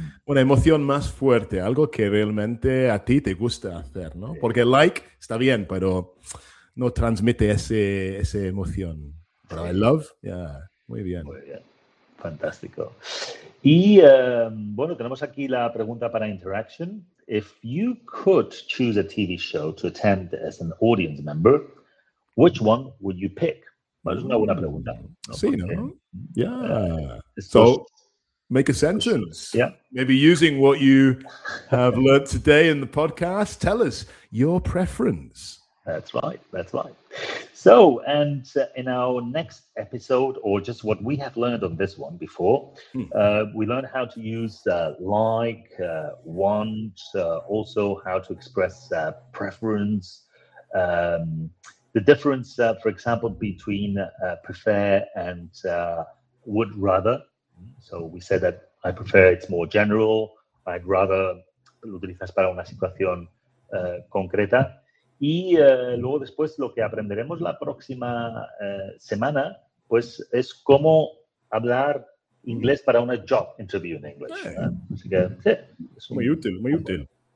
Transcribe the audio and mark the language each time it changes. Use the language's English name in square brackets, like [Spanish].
[Spanish] Una emoción más fuerte, algo que realmente a ti te gusta hacer, ¿no? Sí. Porque like está bien, pero no transmite esa emoción. Pero sí. [English] I love, yeah, [Spanish] muy bien. Muy bien, fantástico. Y, bueno, tenemos aquí la pregunta para Interaction. [English] If you could choose a TV show to attend as an audience member, which one would you pick? [Spanish] Bueno, es una buena pregunta. ¿No? Sí, porque, ¿no? [English] Yeah. So... make a sentence. Yeah. Maybe using what you have learned today in the podcast, tell us your preference. That's right. That's right. So, and in our next episode, or just what we have learned on this one before, we learn how to use like, want, also how to express preference, the difference, for example, between prefer and would rather. So we said that I prefer it's more general. [Spanish] I'd rather lo utilizas para una situación concreta. Y luego después lo que aprenderemos la próxima semana pues es cómo hablar inglés para una [English] job interview in English. [Spanish] Así que, sí, muy útil, muy útil.